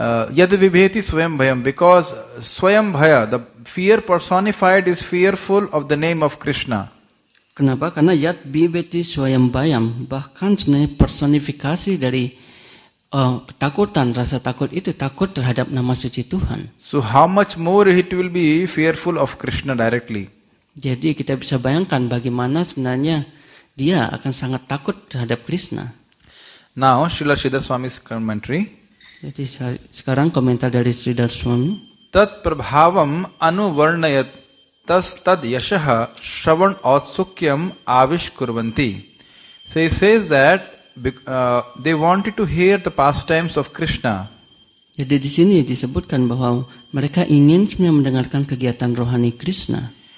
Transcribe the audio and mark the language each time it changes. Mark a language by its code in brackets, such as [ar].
[sa] Yad vibheti swayam bhayam, [en] because swayam bhaya, the fear personified is fearful of the name of Krishna. [id] Kenapa? Karena [sa] yad vibheti swayam bhayam, [id] bahkan sebenarnya personifikasi dari ketakutan, rasa takut itu takut terhadap nama suci Tuhan. [en] So how much more it will be fearful of Krishna directly. [id] Jadi kita bisa bayangkan bagaimana sebenarnya dia akan sangat takut terhadap Krishna. [en] Now Srila Sridhar Swami's commentary. [id] Jadi sekarang komentar dari Sridhar Swami. [sa] Tat prabhavam anuvarnayat tas tad yashaha shravan otsukyam avishkurvanti. [en] So he says that they wanted to hear the pastimes of Krishna. [id] Jadi di sini disebutkan bahwa mereka ingin sebenarnya mendengarkan kegiatan rohani Krishna.